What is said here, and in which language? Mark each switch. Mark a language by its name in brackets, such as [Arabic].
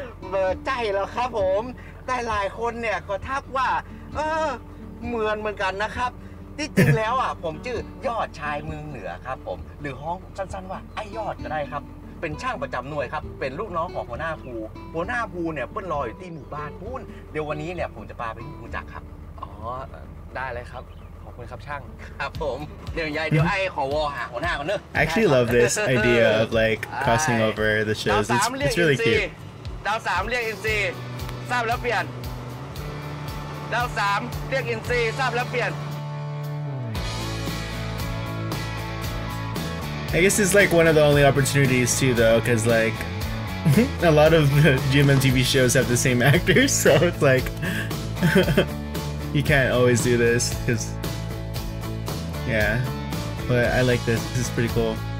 [Thai] เบิดใจแล้วครับผมแต่หลายคนเนี่ยก็ทักว่าเหมือนเหมือนกันนะครับที่จริงแล้วอ่ะผมชื่อยอดชายเมืองเหนือครับผมหรือห้องสั้นๆว่าไอ้ยอดก็ได้ครับเป็นช่างประจำหน่วยครับเป็นลูกน้องของหัวหน้าภูหัวหน้าภูเนี่ยเปิ้นรออยู่ที่หมู่บ้านปุ้นเดี๋ยววันนี้เนี่ยผมจะพาไปรู้จักครับ อ๋อได้เลยครับขอบคุณครับช่าง ครับผมเดี๋ยวยายเดี๋ยวไอ้ขอวอหาหัวหน้าก่อนเนอะ [English] I actually love this idea of like crossing over the shows it's really cute [Thai] ดาว3เรียก NC ทราบแล้วเปลี่ยนดาว3เรียก NC ทราบแล้วเปลี่ยน [English] I guess it's like one of the only opportunities too though, because like a lot of the GMM TV shows have the same actors, so it's like you can't always do this, because yeah, but I like this, this is pretty cool.